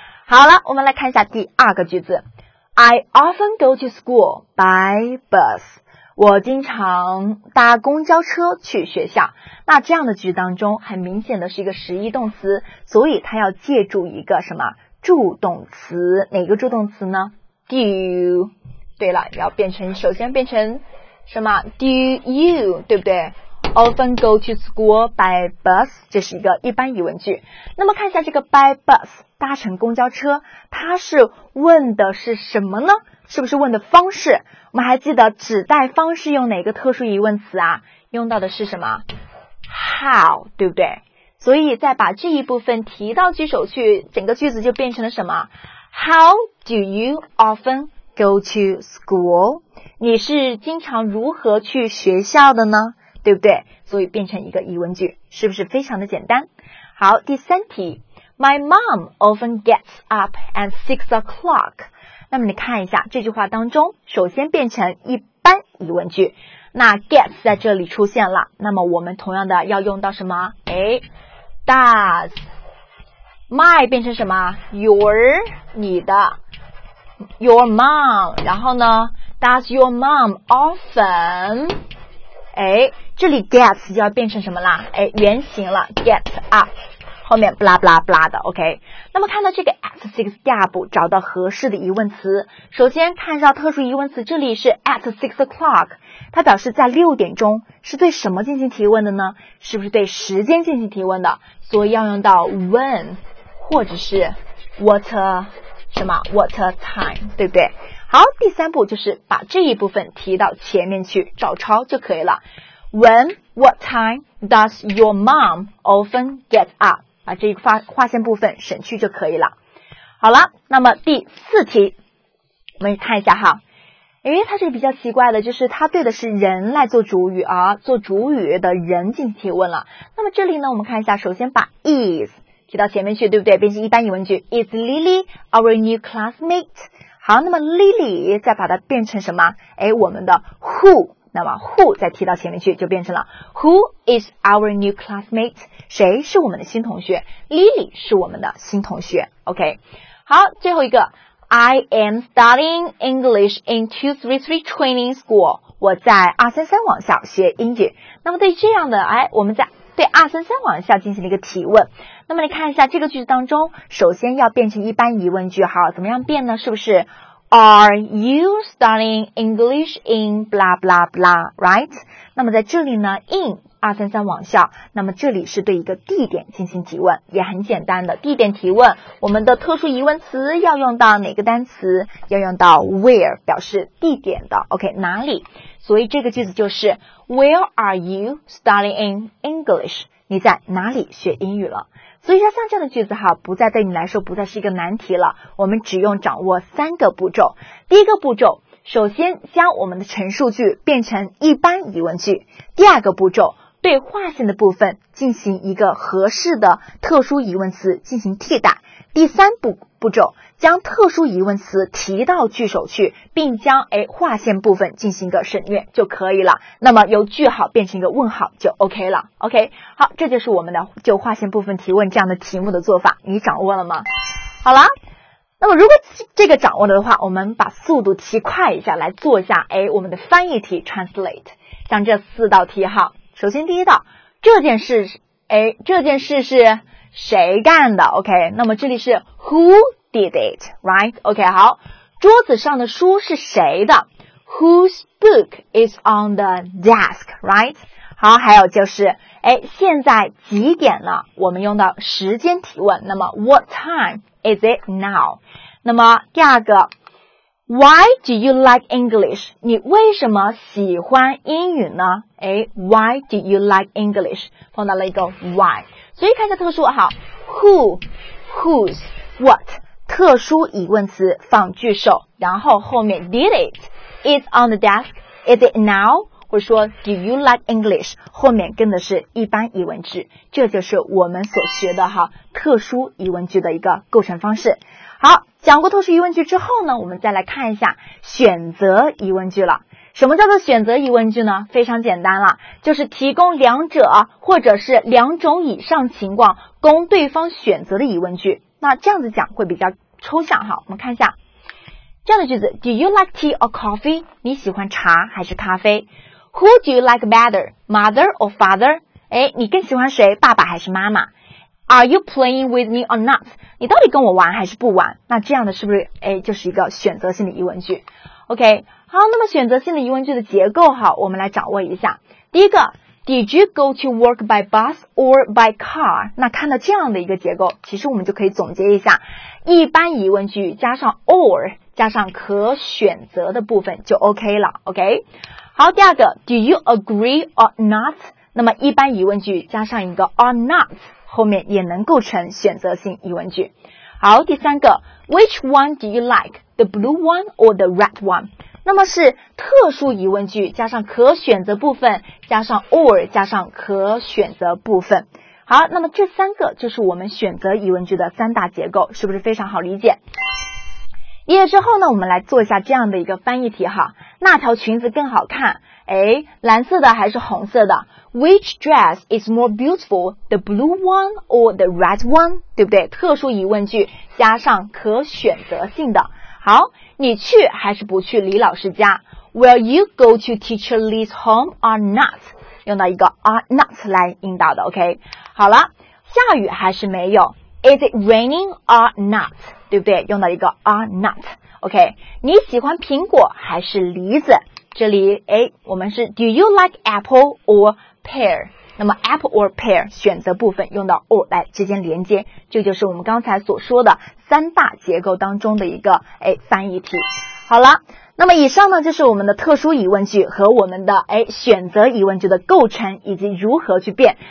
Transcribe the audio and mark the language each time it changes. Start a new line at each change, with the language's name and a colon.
Chinese: 好了，我们来看一下第二个句子，
English: I often go to school by bus，
Chinese: 我经常搭公交车去学校。那这样的句当中很明显的是一个实义动词，所以它要借助一个什么助动词，哪个助动词呢？ Do， 对了，要变成，首先变成什么？
English: Do you，
Chinese: 对不对？
English: Often go to school by bus，
Chinese: 这是一个一般疑问句。那么看一下这个 by bus， 搭乘公交车，它是问的是什么呢？是不是问的方式？我们还记得指代方式用哪个特殊疑问词啊？用到的是什么？How， 对不对？所以再把这一部分提到句首去，整个句子就变成了什么？
English: How do you often go to school？
Chinese: 你是经常如何去学校的呢？对不对？所以变成一个疑问句，是不是非常的简单？好，第三题，
English: My mom often gets up at 6 o'clock。
Chinese: 那么你看一下这句话当中，首先变成一般疑问句，那 gets 在这里出现了，那么我们同样的要用到什么？哎， does。my 变成什么？ your， 你的， your mom， 然后呢，
English: does your mom often，
Chinese: 哎，这里 gets 就要变成什么啦？哎，原型了， get up，后面 blah blah blah 的 OK。那么看到这个 at 6 gap 找到合适的疑问词，首先看到特殊疑问词，这里是 at 6 o'clock， 它表示在6点钟，是对什么进行提问的呢？是不是对时间进行提问的？所以要用到 when 或者是 what a, 什么 what a time， 对不对？好，第三步就是把这一部分提到前面去照抄就可以了。
English: When, what time does your mom often get up，
Chinese: 把这一个划线部分省去就可以了。好了，那么第四题我们看一下哈。诶，它这个比较奇怪的，就是它对的是人来做主语啊，做主语的人进行提问了。那么这里呢，我们看一下，首先把 is 提到前面去，对不对？变成一般疑问句，
English: Is Lily our new classmate？
Chinese: 好，那么 Lily 再把它变成什么？诶，我们的 who， 那么 who 再提到前面去就变成了
English: Who is our new classmate？
Chinese: 谁是我们的新同学？Lily 是我们的新同学， OK。
English: 好，最后一个， I am studying English in 233 training school，
Chinese: 我在233网校学英语。那么对这样的，诶，我们在对233网校进行了一个提问。那么你看一下这个句子当中，首先要变成一般疑问句，好，怎么样变呢？是不是
English: Are you studying English in blah blah blah， right？
Chinese: 那么在这里呢， in 233网校，那么这里是对一个地点进行提问，也很简单的地点提问。我们的特殊疑问词要用到哪个单词？要用到 where， 表示地点的， OK， 哪里。所以这个句子就是
English: Where are you studying in English？
Chinese: 你在哪里学英语了？所以说像这样的句子哈，不再对你来说不再是一个难题了。我们只用掌握三个步骤。第一个步骤，首先将我们的陈述句变成一般疑问句。第二个步骤，对划线的部分进行一个合适的特殊疑问词进行替代。第三步骤，将特殊疑问词提到句首去，并将划线部分进行一个省略就可以了。那么由句号变成一个问号就 OK 了。OK， 好，这就是我们的就划线部分提问这样的题目的做法，你掌握了吗？好了，那么如果这个掌握了的话，我们把速度提快一下，来做一下我们的翻译题 translate。像这四道题哈，首先第一道，这件事是谁干的 ？OK， 那么这里是
English: Who did it? Right? OK， 好，
Chinese: 桌子上的书是谁的
English: ？Whose book is on the desk? Right?
Chinese: 好，还有就是，现在几点了？我们用到时间提问，那么
English: What time is it now? 那么第二个 ，Why do you like English?
Chinese: 你为什么喜欢英语呢？
English: Why do you like English?
Chinese: 碰到了一个 Why。所以看一下特殊好 who, whose, what, 特殊疑问词放句首，然后后面 did it, it's on the desk, is it now, 或者说 do you like English, 后面跟的是一般疑问句，这就是我们所学的哈特殊疑问句的一个构成方式。好，讲过特殊疑问句之后呢，我们再来看一下选择疑问句了。什么叫做选择疑问句呢？非常简单了，就是提供两者或者是两种以上情况供对方选择的疑问句。那这样子讲会比较抽象哈，我们看一下这样的句子
English: Do you like tea or coffee?
Chinese: 你喜欢茶还是咖啡？
English: Who do you like better? Mother or father?
Chinese: 你更喜欢谁？爸爸还是妈妈？
English: Are you playing with me or not?
Chinese: 你到底跟我玩还是不玩？那这样的是不是就是一个选择性的疑问句？ OK，好，那么选择性的疑问句的结构好，我们来掌握一下。
English: 第一个 ,Did you go to work by bus or by car?
Chinese: 那看到这样的一个结构，其实我们就可以总结一下。一般疑问句加上 or, 加上可选择的部分就 OK 了 ,OK?
English: 好，第二个 ,Do you agree or not?
Chinese: 那么一般疑问句加上一个 or not, 后面也能构成选择性疑问句。
English: 好，第三个 ,Which one do you like? The blue one or the red one?
Chinese: 那么是特殊疑问句加上可选择部分加上 or 加上可选择部分。好，那么这三个就是我们选择疑问句的三大结构，是不是非常好理解？理解之后呢，我们来做一下这样的一个翻译题哈。那条裙子更好看，蓝色的还是红色的？
English: Which dress is more beautiful, the blue one or the red one?
Chinese: 对不对？特殊疑问句加上可选择性的。好，你去还是不去李老师家？
English: Will you go to teacher Lee's home or not?
Chinese: 用到一个
English: or not 来引导的， OK? 好了，
Chinese: 下雨还是没有
English: ？Is it raining or not？
Chinese: 对不对？用到一个 or not。 OK， 你喜欢苹果还是梨子？这里哎，我们是
English: Do you like apple or pear？
Chinese: 那么 apple or pear 选择部分用到 or 来之间连接，这就是我们刚才所说的三大结构当中的一个哎翻译题。好了。那么以上呢就是我们的特殊疑问句和我们的哎选择疑问句的构成以及如何去变。